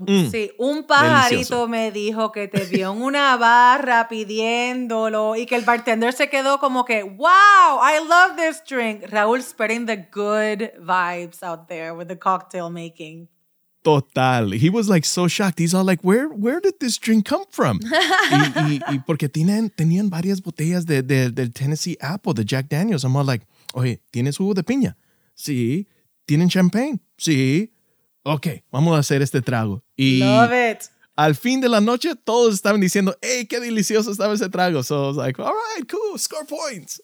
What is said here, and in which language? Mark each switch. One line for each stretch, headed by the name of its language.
Spanish: Sí, un pajarito me dijo que te vio en una barra pidiéndolo y que el bartender se quedó como que,
English: wow, I love this drink. Raúl, spreading the good vibes out there with the cocktail making. Total. He was like so shocked. He's all like, where did this drink come from?
Spanish: y porque tenían varias botellas del Tennessee Apple, de Jack Daniel's.
English: I'm all like,
Spanish: oye, ¿tienes jugo de piña? Sí. ¿Tienen champagne? Sí. Ok, vamos a hacer este trago. Y
English: love it.
Spanish: Al fin de la noche, todos estaban diciendo, hey, qué delicioso estaba ese trago.
English: So I was like, all right, cool, score points.